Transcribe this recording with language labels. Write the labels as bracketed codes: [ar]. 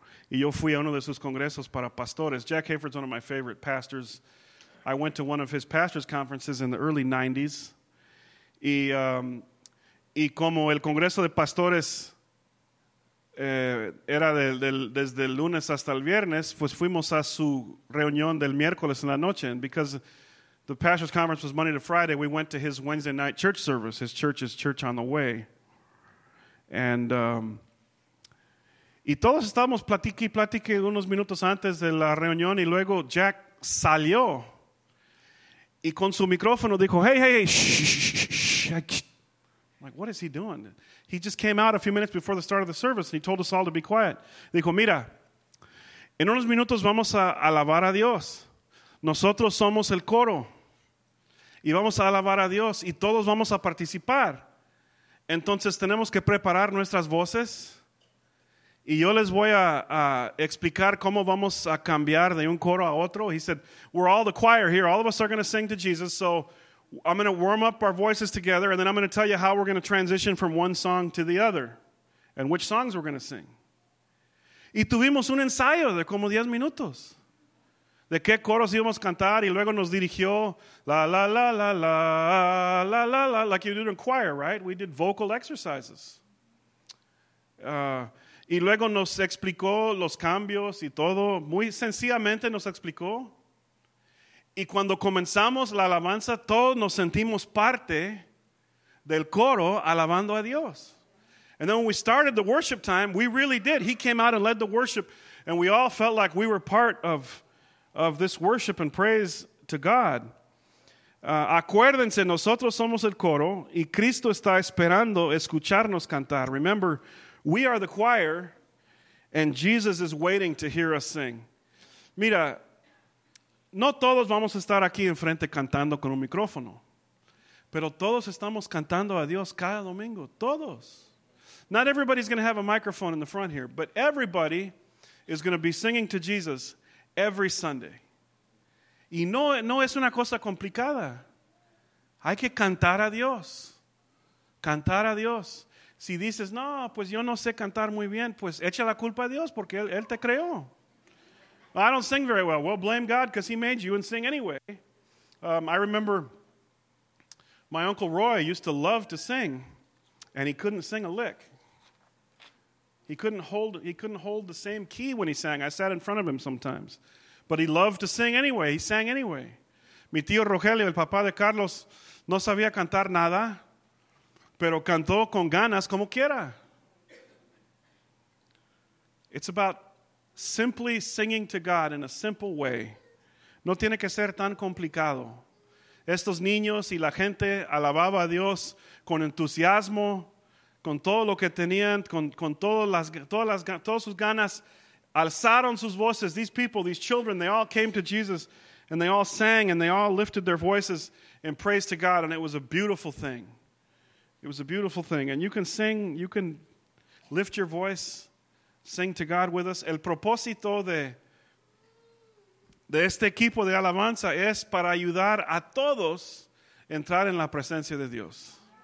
[es] Y yo fui a uno de sus congresos para pastores. [en] Jack Hayford's one of my favorite pastors. I went to one of his pastors' conferences in the early 90s. [es] Y como el congreso de pastores era desde el lunes hasta el viernes, pues fuimos a su reunión del miércoles en la noche. [en] And because the pastor's conference was Monday to Friday, we went to his Wednesday night church service, his church's church on the way. [es] And y todos estábamos platique y platique unos minutos antes de la reunión, y luego Jack salió. Y con su micrófono dijo, hey, shh. [en] I'm like, what is he doing? He just came out a few minutes before the start of the service, and he told us all to be quiet. [es] Dijo, mira, en unos minutos vamos a alabar a Dios. Nosotros somos el coro. Y vamos a alabar a Dios, y todos vamos a participar. Entonces tenemos que preparar nuestras voces. Y yo les voy a explicar cómo vamos a cambiar de un coro a otro. [en] He said, we're all the choir here. All of us are going to sing to Jesus. So I'm going to warm up our voices together. And then I'm going to tell you how we're going to transition from one song to the other. And which songs we're going to sing. [es] Y tuvimos un ensayo de como 10 minutos. De qué coros íbamos a cantar. Y luego nos dirigió, la, la, la, la, la, la, la, la. [en] Like you do in choir, right? We did vocal exercises. [es] Y luego nos explicó los cambios y todo. Muy sencillamente nos explicó. Y cuando comenzamos la alabanza, todos nos sentimos parte del coro alabando a Dios. [en] And then when we started the worship time, we really did. He came out and led the worship. And we all felt like we were part of this worship and praise to God. [es] Acuérdense, nosotros somos el coro. Y Cristo está esperando escucharnos cantar. [en] Remember, we are the choir, and Jesus is waiting to hear us sing. [es] Mira, no todos vamos a estar aquí enfrente cantando con un micrófono, pero todos estamos cantando a Dios cada domingo, todos. [en] Not everybody's going to have a microphone in the front here, but everybody is going to be singing to Jesus every Sunday. [es] Y no es una cosa complicada. Hay que cantar a Dios, cantar a Dios. Si dices, no, pues yo no sé cantar muy bien, pues echa la culpa a Dios porque él te creó. [en] Well, I don't sing very well. Well, blame God because he made you and sing anyway. I remember my Uncle Roy used to love to sing, and he couldn't sing a lick. He couldn't hold the same key when he sang. I sat in front of him sometimes. But he loved to sing anyway. He sang anyway. [es] Mi tío Rogelio, el papá de Carlos, no sabía cantar nada. Pero cantó con ganas como quiera. [en] It's about simply singing to God in a simple way. [es] No tiene que ser tan complicado. Estos niños y la gente alababa a Dios con entusiasmo, con todo lo que tenían, con todas sus ganas. Alzaron sus voces. [en] These people, these children, they all came to Jesus and they all sang and they all lifted their voices in praise to God, and it was a beautiful thing. It was a beautiful thing. And you can sing, you can lift your voice, sing to God with us. [es] El propósito de este equipo de alabanza es para ayudar a todos a entrar en la presencia de Dios.